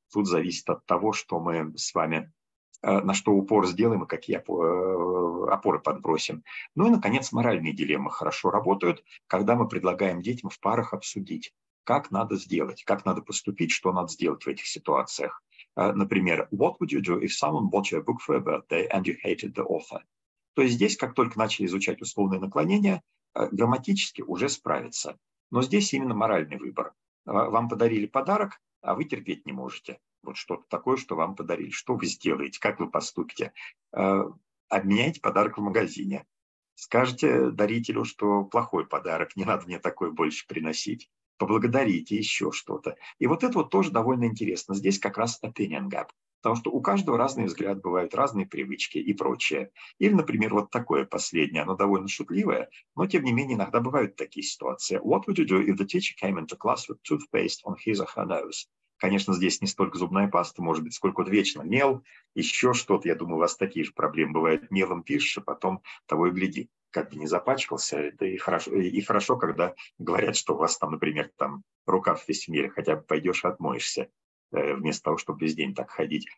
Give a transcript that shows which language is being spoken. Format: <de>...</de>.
<ru>Тут зависит от того, что мы с вами, на что упор сделаем и какие опоры подбросим. Ну и, наконец, моральные дилеммы хорошо работают, когда мы предлагаем детям в парах обсудить, как надо сделать, как надо поступить, что надо сделать в этих ситуациях. Например,</ru> <en>what would you do if someone bought you a book for a birthday and you hated the author?</en> <ru>То есть здесь, как только начали изучать условные наклонения, грамматически уже справятся. Но здесь именно моральный выбор. Вам подарили подарок, а вы терпеть не можете. Вот что-то такое, что вам подарили. Что вы сделаете? Как вы поступите? Обменяйте подарок в магазине. Скажете дарителю, что плохой подарок, не надо мне такой больше приносить. Поблагодарите еще что-то. И вот это вот тоже довольно интересно. Здесь как раз opinion gap. Потому что у каждого разный взгляд, бывают разные привычки и прочее. Или, например, вот такое последнее. Оно довольно шутливое, но, тем не менее, иногда бывают такие ситуации.</ru> <en>What would you do if the teacher came into class with toothpaste on his or her nose?</en> <ru>Конечно, здесь не столько зубная паста, может быть, сколько вот вечно мел, еще что-то. Я думаю, у вас такие же проблемы бывают. Мелом пишешь, а потом того и гляди, как бы не запачкался. Это и хорошо, когда говорят, что у вас там, например, там рукав весь в меле, хотя бы пойдешь и отмоешься, вместо того, чтобы весь день так ходить.</ru>